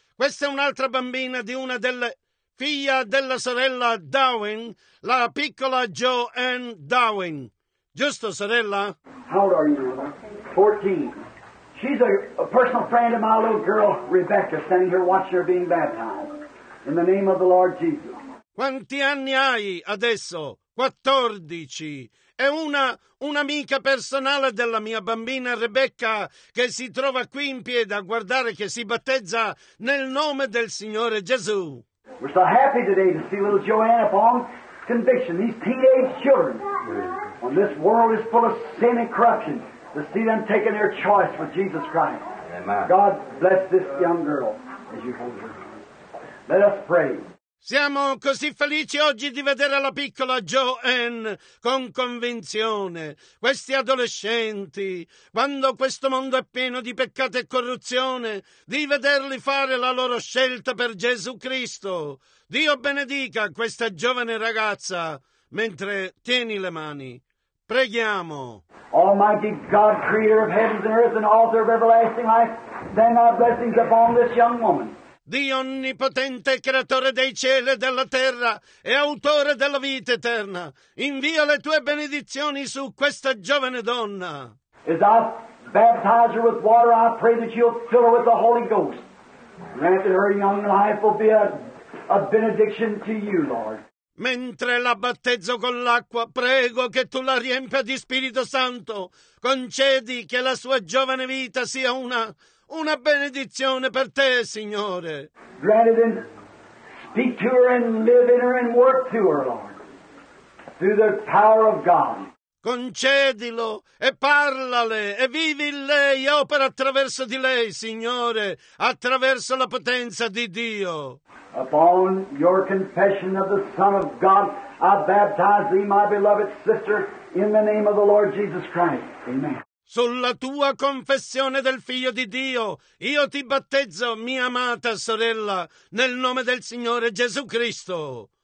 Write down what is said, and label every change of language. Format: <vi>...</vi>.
<it>Questa è un'altra bambina di una delle... figlia della sorella Darwin, la piccola Joanne Darwin. Giusto, sorella?</it> <en>How old are you, Mother? 14. She's a personal friend of my little girl, Rebecca, standing here watching her being baptized. In the name of the Lord Jesus.</en> <it>Quanti anni hai adesso? 14. È un'amica personale della mia bambina Rebecca che si trova qui in piedi a guardare che si battezza nel nome del Signore Gesù.</it> <en>We're so happy today to see little Joanne upon conviction, these teenage children. When this world is full of sin and corruption, to see them taking their choice with Jesus Christ. Amen. God bless this young girl as you hold her. Let us pray.</en> <it>Siamo così felici oggi di vedere la piccola Joanne con convinzione. Questi adolescenti, quando questo mondo è pieno di peccato e corruzione, di vederli fare la loro scelta per Gesù Cristo. Dio benedica questa giovane ragazza mentre tieni le mani. Preghiamo.</it> <en>Almighty God, creator of heavens and earth and author of everlasting life, send our blessings upon this young woman.</en> <it>Dio onnipotente, creatore dei cieli e della terra e autore della vita eterna, invia le tue benedizioni su questa giovane donna.</it> <en>As I baptize her with water, I pray that you'll fill her with the Holy Ghost. And that her young life will be a benediction to you, Lord.</en> <it>Mentre la battezzo con l'acqua, prego che tu la riempia di Spirito Santo. Concedi che la sua giovane vita sia una benedizione per te, Signore.</it> <en>Granted and speak to her and live in her and work to her, Lord, through the power of God.</en> <it>Concedilo e parlale e vivi in lei e opera attraverso di lei, Signore, attraverso la potenza di Dio.</it> <en>Upon your confession of the Son of God, I baptize thee, my beloved sister, in the name of the Lord Jesus Christ. Amen.</en> <it>Sulla tua confessione del Figlio di Dio, io ti battezzo, mia amata sorella, nel nome del Signore Gesù Cristo.</it>